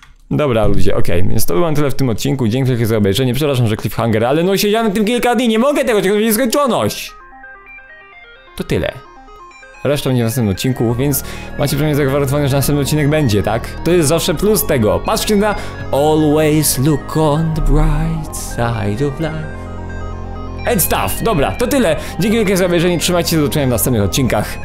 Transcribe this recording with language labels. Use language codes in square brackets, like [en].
[pl] Dobra, ludzie, okej, więc to było tyle w tym odcinku. Dzięki wielkie za obejrzenie, przepraszam, że cliffhanger, ale no siedziałem tym kilka dni, nie mogę tego, czekać na nieskończoność! To tyle. Reszta będzie w następnym odcinku, więc macie przynajmniej zagwarantowane, że następny odcinek będzie, tak? To jest zawsze plus tego. Patrzcie na... [en] Always look on the bright side of life. And stuff! [pl] Dobra, to tyle. Dzięki wielkie za obejrzenie, trzymajcie się, do czynienia w następnych odcinkach.